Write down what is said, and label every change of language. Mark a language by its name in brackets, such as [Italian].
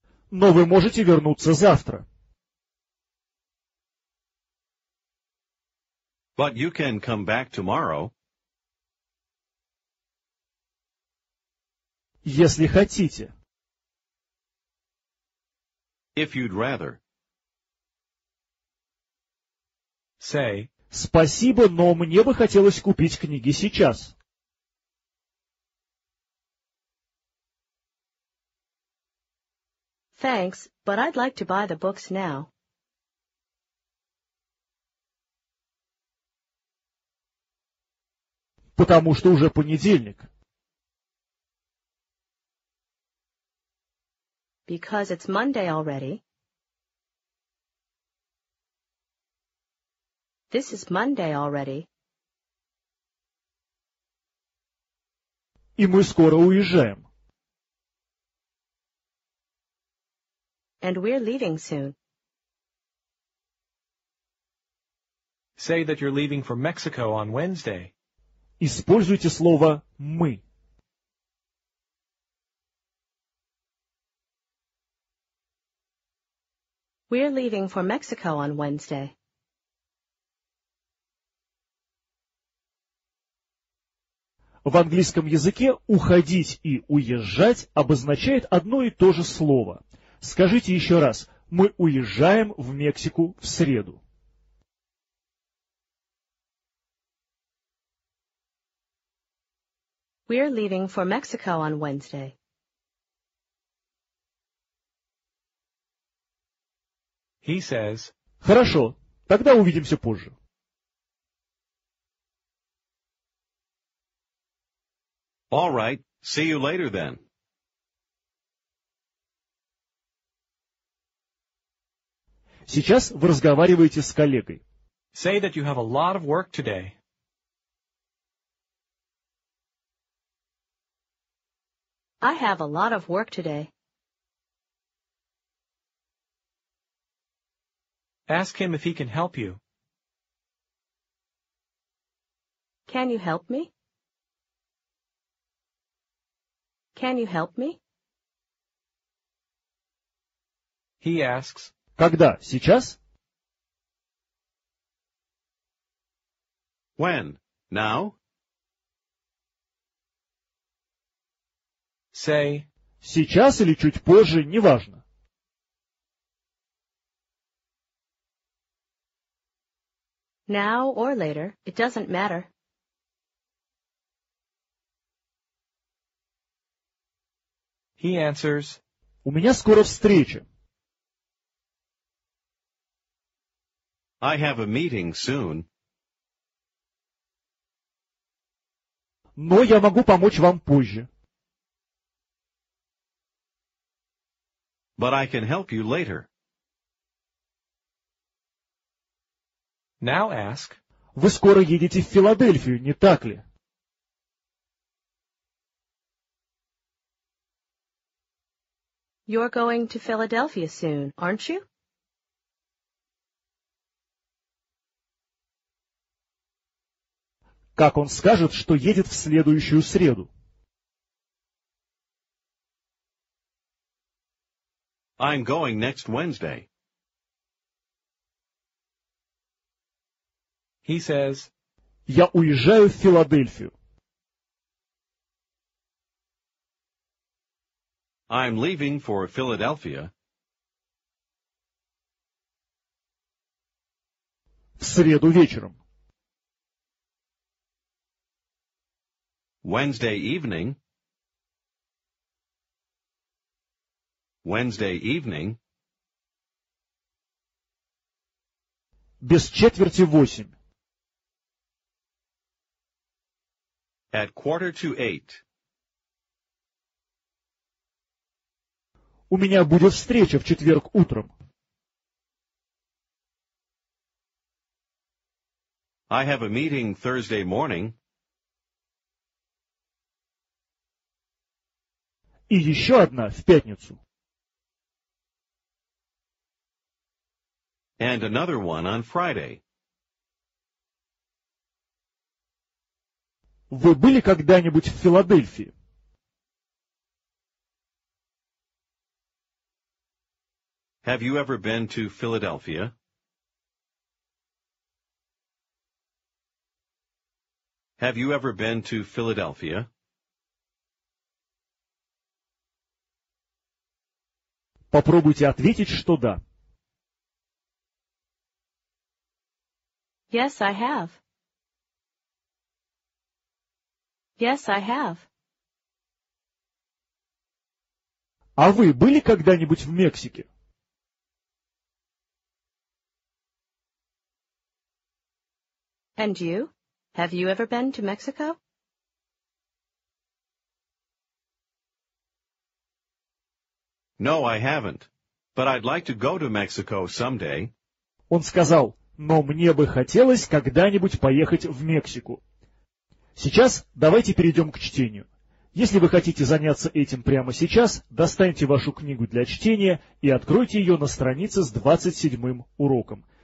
[Russian] Но вы можете вернуться завтра. [English] But you can come back tomorrow. [Russian] Если хотите. [English] If you'd rather. Say. [Russian] Спасибо, но мне бы хотелось купить книги сейчас. [English] Thanks, but I'd like to buy the books now. [Russian] Потому что уже понедельник. [English] Because it's Monday already. This is Monday already. [Russian] И мы скоро уезжаем. [English] And we're leaving soon. Say that you're leaving for Mexico on Wednesday. [Russian] Используйте слово «мы». [English] We're leaving for Mexico on Wednesday. [Russian] В английском языке «уходить» и «уезжать» обозначает одно и то же слово. Скажите еще раз, мы уезжаем в Мексику в среду. [English] We're leaving for Mexico on Wednesday. He says, [Russian] Хорошо, тогда увидимся позже. [English] All right, see you later then. [Russian] Сейчас вы разговариваете с коллегой. [English] Say that you have a lot of work today. I have a lot of work today. Ask him if he can help you. Can you help me? Can you help me? He asks, [Russian] Когда? Сейчас? [English] When? Now? Say, [Russian] сейчас или чуть позже, неважно. [English] Now or later, it doesn't matter. He answers, [Russian] у меня скоро встреча. [English] I have a meeting soon. [Russian] Но я могу помочь вам позже. [English] But I can help you later. Now ask. [Russian] Вы скоро едете в Филадельфию, не так ли? [English] You're going to Philadelphia soon, aren't you? [Russian] Как он скажет, что едет в следующую среду? [English] I'm going next Wednesday. He says, [Russian] Я уезжаю в Филадельфию. [English] I'm leaving for Philadelphia. [Russian] В среду вечером. [English] Wednesday evening. Wednesday evening. [Russian] Без четверти восемь. [English] At quarter to eight. [Russian] У меня будет встреча в четверг утром. [English] I have a meeting Thursday morning. [Russian] И еще одна в пятницу. [English] And another one on Friday. [Russian] Вы были когда-нибудь в Филадельфии? [English] Have you ever been to Philadelphia? Have you ever been to Philadelphia? [Russian] Попробуйте ответить, что да. [English] Yes, I have. Yes, I have. [Russian] А вы были когда-нибудь в Мексике? [English] And you? Have you ever been to Mexico? No, I haven't. But I'd like to go to Mexico someday. [Russian] Он сказал, но мне бы хотелось когда-нибудь поехать в Мексику. Сейчас давайте перейдем к чтению. Если вы хотите заняться этим прямо сейчас, достаньте вашу книгу для чтения и откройте ее на странице с 27-м уроком.